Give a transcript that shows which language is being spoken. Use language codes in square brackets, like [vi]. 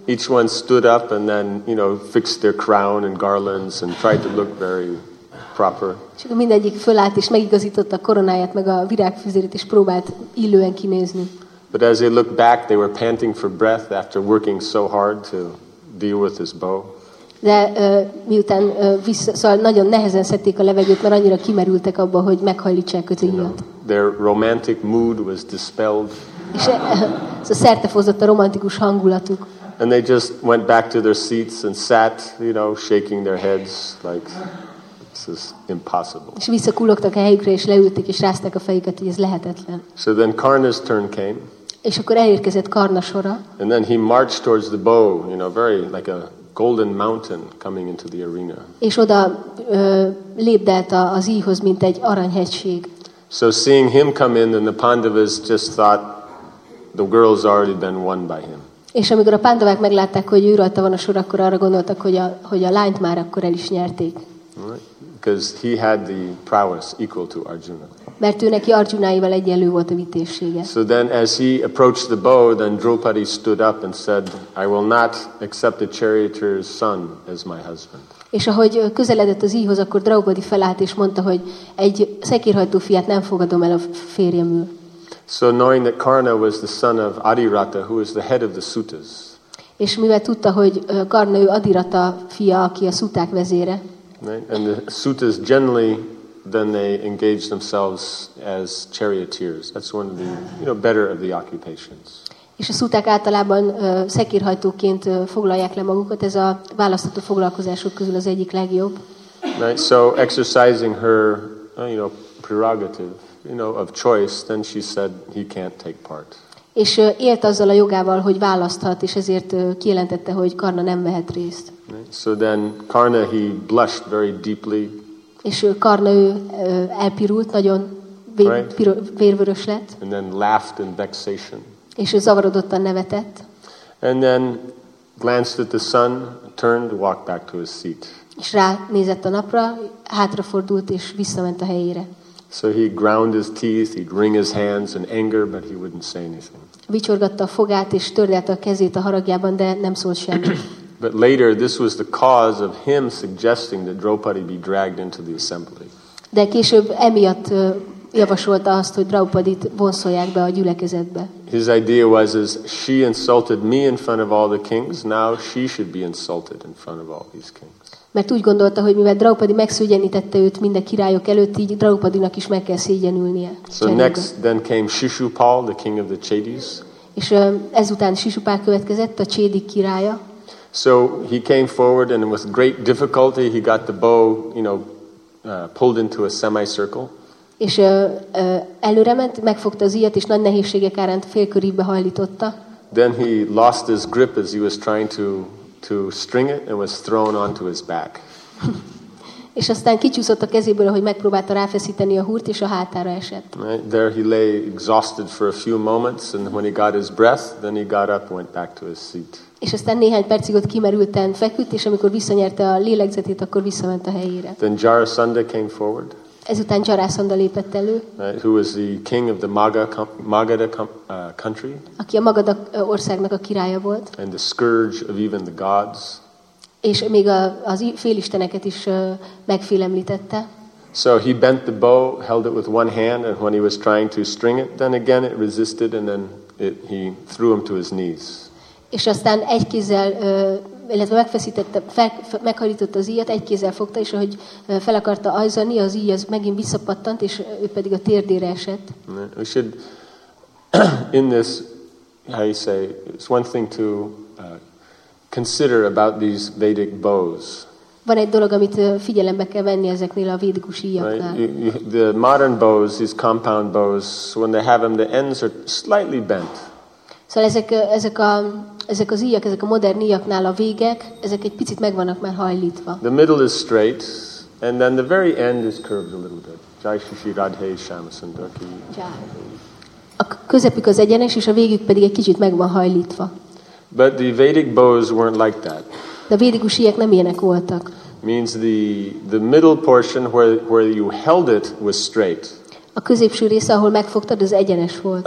[en] Each one stood up and then, you know, fixed their crown and garlands and tried to look very proper. [hu] És akkor mindegyik fölállt és megigazította a koronáját, meg a virágfüzérét, és próbált illően kinézni. [en] But as they looked back, they were panting for breath after working so hard to deal with this bow. [hu] De miután vissza, szóval nagyon nehezen szedték a levegőt, mert annyira kimerültek abban, hogy meghajlítsák a tűnyat. [en] You know, their romantic mood was dispelled. [hu] És szóval szertefozott a romantikus hangulatuk. [en] And they just went back to their seats and sat, you know, shaking their heads like this is impossible. [hu] És visszakullogtak a helyükre, és leültek, és rázták a fejüket, hogy ez lehetetlen. [en] So then Karna's turn came. [hu] És akkor elérkezett Karna sora. [en] And then he marched towards the bow, you know, very like a golden mountain coming into the arena. [hu] És oda lépdelt az íjhoz, mint egy aranyhegység. [en] So seeing him come in, then the Pandavas just thought the girl's already been won by him. [hu] És amikor a Pandavák meglátták, hogy ő rajta van a sor, akkor arra gondoltak, hogy a lányt már akkor el is nyerték. [en] Because he had the prowess equal to Arjuna. [hu] Mert ő neki Arjunáival egyenlő volt a vitézsége. [en] So then as he approached the bow, then Draupadi stood up and said, I will not accept the charioteer's son as my husband. [hu] És ahogy közeledett az íjhoz, akkor Draupadi felállt és mondta, hogy egy szekérhajtó fiát nem fogadom el a férjemül. [en] So knowing that Karna was the son of Adirata, who is the head of the sutas. [hu] És mivel tudta, hogy Karna ő Adirata fia, aki a szuták vezére. [en] Right? And the sutas generally, then they engage themselves as charioteers. That's one of the, you know, better of the occupations. [hu] És a szuták általában szekérhajtóként foglalják le magukat. Ez a választható foglalkozások közül az egyik legjobb. [en] Right? So exercising her, you know, prerogative, you know, of choice, then she said he can't take part. [hu] És élt azzal a jogával, hogy választhat, és ezért kijelentette, hogy Karna nem vehet részt. [en] Right? So then Karna, he blushed very deeply. [hu] És Karna ő elpirult, nagyon vérvörös lett. [en] And then laughed in vexation. [hu] És ő zavarodottan nevetett. [en] And then glanced at the sun, turned, walked back to his seat. [hu] És ránézett a napra, hátrafordult és visszament a helyére. [en] So he ground his teeth, he'd wring his hands in anger, but he wouldn't say anything. [hu] Vicsorgatta a fogát és tördelte a kezét a haragjában, de nem szólt semmit. [en] But later, this was the cause of him suggesting that Draupadi be dragged into the assembly. [hu] De később emiatt javasolta azt, hogy Draupadit vonszolják be a gyülekezetbe. [en] His idea was, is she insulted me in front of all the kings, now she should be insulted in front of all these kings. [hu] Mert úgy gondolta, hogy mivel Draupadi megszégyenítette őt minden királyok előtt, így Draupadinak is meg kell szégyenülnie. [en] So next, then came Shishupal, the king of the Chedis. [hu] És ezután Shishupal következett, a Chédik királya. [en] So he came forward and with great difficulty he got the bow, you know, pulled into a semicircle. [hu] És előre ment, megfogta az íjat, és nagy nehézségek árán félkörívbe hajlította. [en] Then he lost his grip as he was trying to string it and was thrown onto his back. [hu] És aztán kicsúszott a kezéből, ahogy megpróbálta ráfeszíteni a húrt, és a hátára esett. [en] Right? There he lay exhausted for a few moments, and when he got his breath, then he got up and went back to his seat. [hu] És aztán néhány percig ott kimerülten feküdt, és amikor visszanyerte a lélegzetét, akkor visszament a helyére. [en] Then Jarasandha came forward. [hu] Ezután Jarasandha lépett elő. [en] Right? Who was the king of the Magadha country. [hu] Aki a Magadha országnak a királya volt. [en] And the scourge of even the gods. [hu] És még az félisteneket is megfélemlítette. [en] So he bent the bow, held it with one hand, and when he was trying to string it, then again it resisted, and then he threw him to his knees. [hu] És aztán egy kézzel, illetve megfeszítette, meghajlította az íjat, egy kézzel fogta, és ahogy fel akarta ajzani, az íj az megint visszapattant, és ő pedig a térdére esett. [en] We should, in this, how you say, it's one thing to consider about these Vedic bows. [hu] Van egy dolog, amit figyelembe kell venni ezeknél a védikus íjaknál. [en] Right? The modern bows, these compound bows, when they have them, the ends are slightly bent. [hu] Szóval ezek az íjak, ezek a modern íjaknál a végek, ezek egy picit meg vannak már hajlítva. [en] The middle is straight, and then the very end is curved a little bit. [hi] Jai Shishi Radhe Shamasundar ki. [hu] A közepük az egyenes, és a végük pedig egy kicsit meg van hajlítva. [en] But the Vedic bows weren't like that. [hu] De a védikus íjak nem ilyenek voltak. [en] Means the middle portion where you held it was straight. [hu] A középső része, ahol megfogtad, az egyenes volt.